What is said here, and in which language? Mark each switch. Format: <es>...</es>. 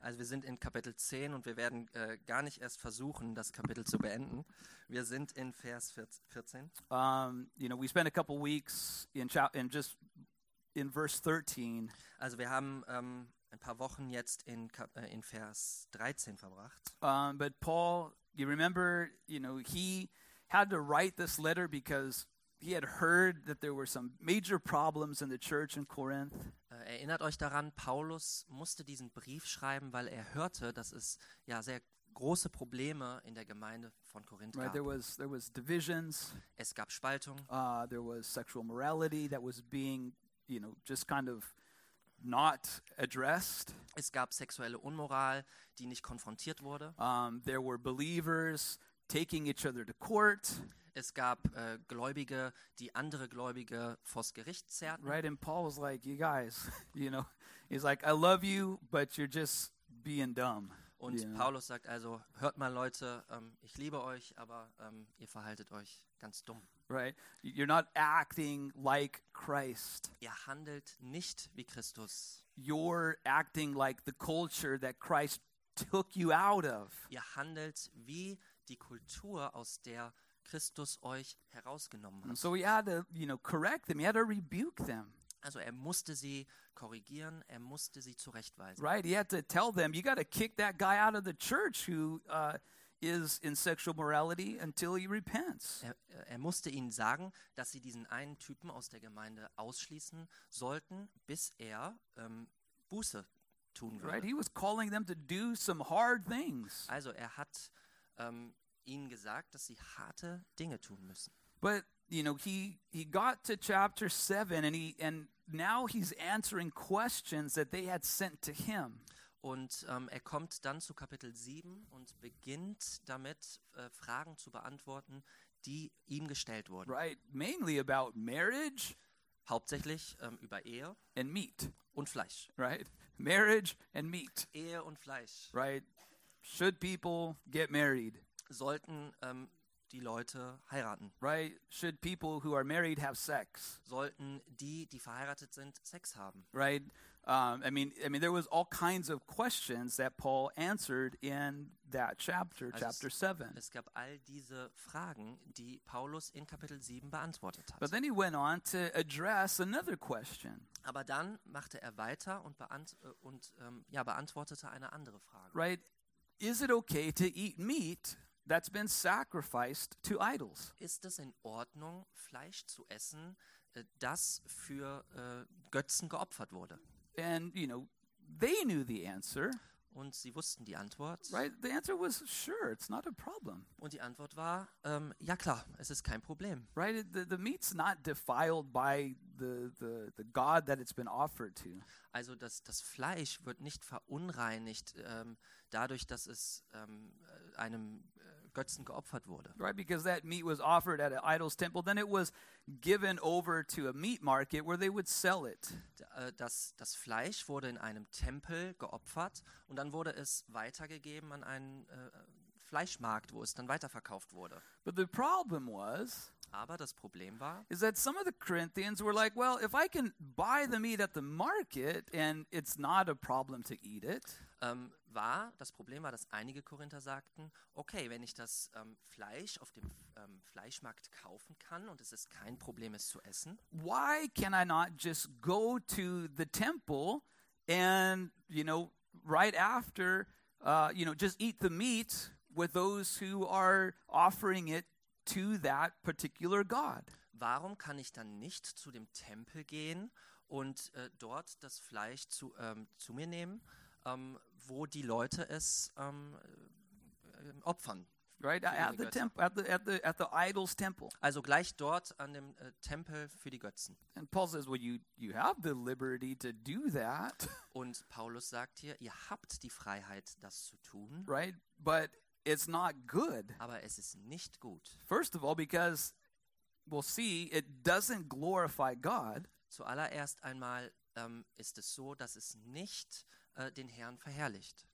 <de>Also wir sind in Kapitel 10 und wir werden gar nicht erst versuchen, das Kapitel zu beenden. Wir sind in Vers 14.</de> <en>You know, we spent a couple weeks in verse 13.</en> <de>Also wir haben ein paar Wochen jetzt in Vers 13 verbracht.</de> <en>But Paul, you remember, you know, he had to write this letter because he had heard that there were some major problems in the church in Corinth.</en> <de>Erinnert euch daran, Paulus musste diesen Brief schreiben, weil er hörte, dass es ja sehr große Probleme in der Gemeinde von Korinth gab.</de> <en>Right, there was divisions.</en> <de>Es gab Spaltung.</de> <en>There was sexual morality that was being, you know, just kind of not addressed.</en> <de>Es gab sexuelle Unmoral, die nicht konfrontiert wurde.</de> <en>There were believers taking each other to court.</en> <de>Es gab Gläubige, die andere Gläubige vors Gericht zerrten.</de> <en>Right, and Paul was like, you guys, you know, he's like, I love you, but you're just being dumb.</en> <de>Und</de> <en>you know?</en> <de>Paulus sagt also, hört mal Leute, ich liebe euch, aber ihr verhaltet euch ganz dumm.</de> <en>Right, you're not acting like Christ.</en> <de>Ihr handelt nicht wie Christus.</de> <en>You're acting like the culture that Christ took you out of.</en> <de>Ihr handelt wie die Kultur, aus der Christus euch herausgenommen hat.</de> <en>And so he had to, you know, correct them. He had to rebuke them.</en> <de>Also er musste sie korrigieren. Er musste sie zurechtweisen.</de> <en>Right, he had to tell them, you got to kick that guy out of the church who is in sexual morality until he repents.</en> <de>Er musste ihnen sagen, dass sie diesen einen Typen aus der Gemeinde ausschließen sollten, bis er Buße tun würde.</de> <en>Right, he was calling them to do some hard things.</en> <de>Also er hat ihnen gesagt, dass sie harte Dinge tun müssen.</de> <en>But you know, he got to chapter 7 and now he's answering questions that they had sent to him.</en> <de>Und er kommt dann zu Kapitel 7 und beginnt damit Fragen zu beantworten, die ihm gestellt wurden.</de> <en>Right, mainly about marriage,</en> <de>hauptsächlich über Ehe</de> <en>and meat</en> <de>und Fleisch.</de> <en>Right, marriage and meat.</en> <de>Ehe und Fleisch.</de> <en>Right, should people get married?</en> <de>Sollten die Leute heiraten?</de> <en>Right, should people who are married have sex?</en> <de>Sollten die, die verheiratet sind, Sex haben?</de> <en>Right. I mean, there was all kinds of questions that Paul answered in that chapter,</en> <de>also</de> <en>chapter 7.</en> <de>Es gab all diese Fragen, die Paulus in Kapitel 7 beantwortet hat.</de> <en>But then he went on to address another question.</en> <de>Aber dann machte er weiter und beantwortete eine andere Frage.</de> <en>Right, is it okay to eat meat that's been sacrificed to idols?</en> <de>Ist es in Ordnung, Fleisch zu essen, das für Götzen geopfert wurde?</de> <en>And you know, they knew the answer.</en> <de>Und sie wussten die Antwort.</de> <en>Right, the answer was sure, it's not a problem.</en> <de>Und die Antwort war ja klar, es ist kein Problem.</de> <en>Right, the meat's not defiled by the god that it's been offered to.</en> <de>Also das Fleisch wird nicht verunreinigt dadurch, dass es einem Götzen geopfert wurde.</de> <en>Right, because that meat was offered at an idol's temple, then it was given over to a meat market where they would sell it.</en> <de>Das Fleisch wurde in einem Tempel geopfert und dann wurde es weitergegeben an einen Fleischmarkt, wo es dann weiterverkauft wurde.</de> <en>But the problem was,</en> <de>aber das Problem war,</de> <en>is that some of the Corinthians were like, well, if I can buy the meat at the market and it's not a problem to eat it,</en> <de>das Problem war, dass einige Korinther sagten, okay, wenn ich das Fleisch auf dem Fleischmarkt kaufen kann und es ist kein Problem, es zu essen,</de> <en>why can I not just go to the temple and, you know, right after, you know, just eat the meat with those who are offering it to that particular god?</en> <de>Warum kann ich dann nicht zu dem Tempel gehen und dort das Fleisch zu mir nehmen, wo die Leute es opfern?</de> <en>Right, at the idol's temple.</en> <de>Also gleich dort an dem Tempel für die Götzen.</de> <en>And Paul says, well, you have the liberty to do that.</en> <de>Und Paulus sagt hier, ihr habt die Freiheit, das zu tun.</de> <en>Right, but it's not good.</en> <de>Aber es ist nicht gut.</de> <en>First of all, because we'll see, it doesn't glorify God.</en> <de>Zuallererst einmal ist es so, dass es nicht den Herrn verherrlicht.</de>